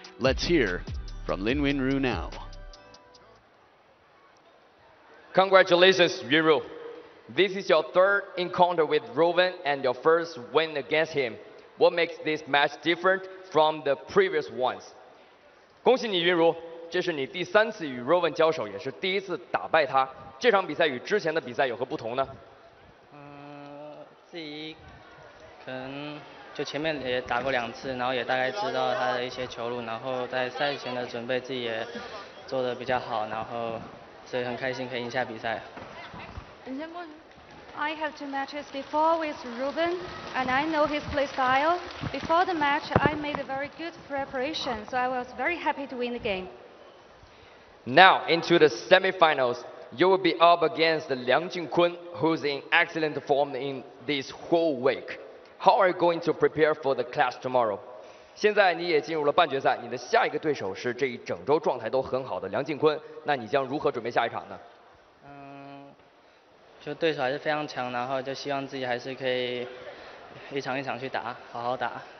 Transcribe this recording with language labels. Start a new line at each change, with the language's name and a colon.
English: Let's hear from Lin Wenru now. Congratulations, Wenru. This is your third encounter with Ruben and your first win against him. What makes this match different from the previous ones?
Chinese: 恭喜你，Wenru。这是你第三次与Ruben交手，也是第一次打败他。这场比赛与之前的比赛有何不同呢？自己可能就前面也打过两次，然后也大概知道他的一些球路，然后在赛前的准备自己也做得比较好，然后所以很开心可以赢下比赛。你先过去。
English: I have two matches before with Ruben, and I know his play style. Before the match, I made a very good preparation, so I was very happy to win the game. Now, into the semifinals, you will be up against Liang Jingquan, who's in excellent form in this whole week. How are you going to prepare for the clash tomorrow?
Chinese: 现在你也进入了半决赛，你的下一个对手是这一整周状态都很好的梁靖昆，那你将如何准备下一场呢？就对手还是非常强，然后就希望自己还是可以一场一场去打，好好打。